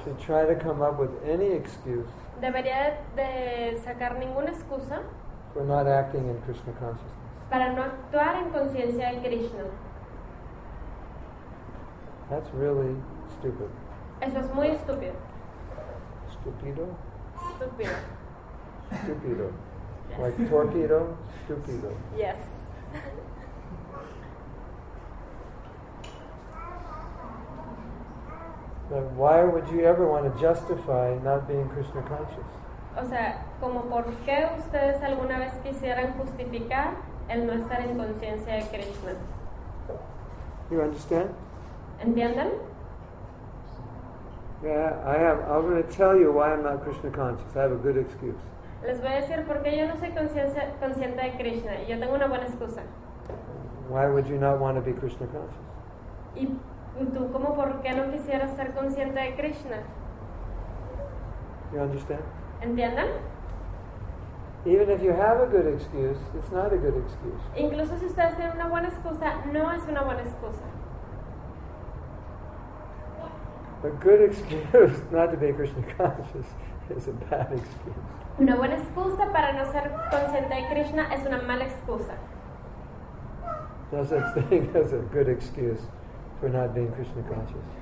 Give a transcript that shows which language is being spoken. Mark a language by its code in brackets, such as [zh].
[en] Should try to come up with any excuse. [es] Debería de sacar ninguna excusa. [en] For not acting in Krishna consciousness. [es] Para no actuar en conciencia de Krishna. [en] That's really stupid. [es] Eso es muy estúpido. Stupido? Stupido. [en] Stupido. Yes. Like torpedo? Stupido. Yes. But why would you ever want to justify not being Krishna conscious? [es] O sea, ¿como por qué ustedes alguna vez quisieran justificar el no estar en conciencia de Krishna? [en] You understand? [es] ¿Entienden? [en] Yeah, I'm going to tell you why I'm not Krishna conscious. I have a good excuse. [es] Les voy a decir por qué yo no soy consciente de Krishna. Yo tengo una buena excusa. [en] Why would you not want to be Krishna conscious? [es] ¿Y tú como por qué no quisieras ser consciente de Krishna. [en] You understand? [es] ¿Entienden? [en] Even if you have a good excuse, it's not a good excuse. [es] Incluso si ustedes tienen una buena excusa, no es una buena excusa. [en] A good excuse not to be Krishna conscious is a bad excuse. [es] Una buena excusa para no ser consciente de Krishna es una mala excusa. [en] No such thing as a good excuse for not being Krishna conscious.